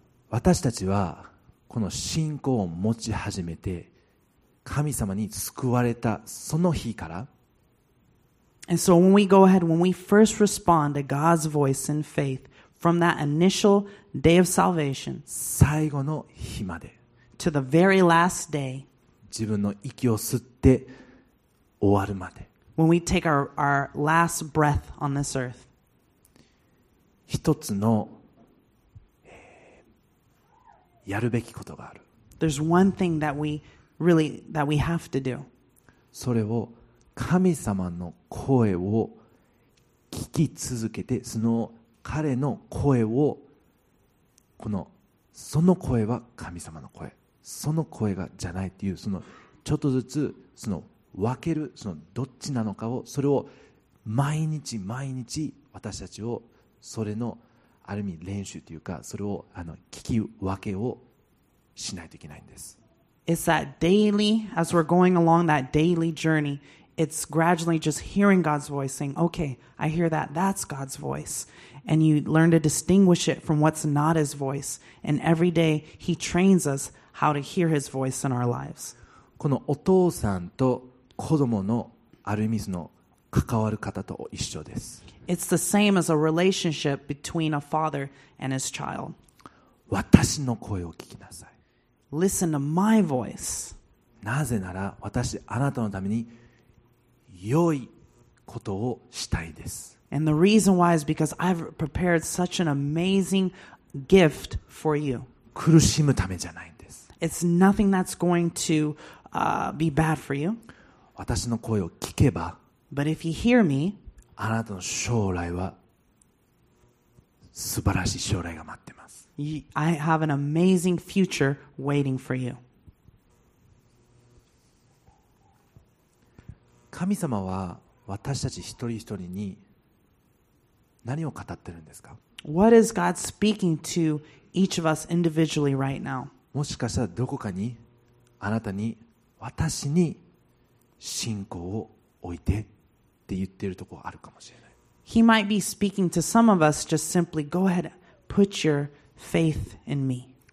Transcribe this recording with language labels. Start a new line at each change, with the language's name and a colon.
Japanese: 私たちはこの信仰を持ち始めて神様に救われたその日から。
English: And so when we go ahead, when we first respond to God's voice in faith,From that initial day of salvation,
Japanese: 最後の日まで
English: to the very last day,
Japanese: 自分の息を吸って終わるまで
English: when we take our last breath on this earth,
Japanese: 一つの、やるべきことがある
English: There's one thing that we really that we have to do.
Japanese: それを神様の声を聞き続けてその彼の声をこのその声は神様の声その声がじゃないっていうそのちょっとずつその分けるそのどっちなのかをそれを毎日毎日私たちをそれのある意味練習というかそれをあの聞き分けをしないといけないんです
English: It's that daily as we're going along that daily journey it's gradually just hearing God's voice saying okay I hear that that's God's voiceAnd you learn to distinguish it from what's not his voice. And every day he trains us how to hear his voice in our lives.
Japanese: このお父さんと子供のある意味その関わる方と一緒です。
English: It's the same as a relationship between a father and his child.
Japanese: 私の声を聞きなさい。
English: Listen to my voice.
Japanese: なぜなら私あなたのために良いことをしたいです。
English: And the reason why is because I've prepared such an amazing gift for you.
Japanese: 苦しむためじゃないんです。
English: It's nothing that's going to be bad for you.
Japanese: 私の声を聞けば、
English: But if you hear me,
Japanese: あなたの将来は素晴らしい将来が待ってます。
English: I have an amazing future waiting for you.
Japanese: 神様は私たち一人一人に何を語ってるんですか?
English: What is God speaking to each of us individually right now?
Japanese: もしかしたらどこかにあなたに私に信仰を置いてって言ってるところあるかもしれない。
English: He might be speaking to some of us just simply go ahead put your faith in me.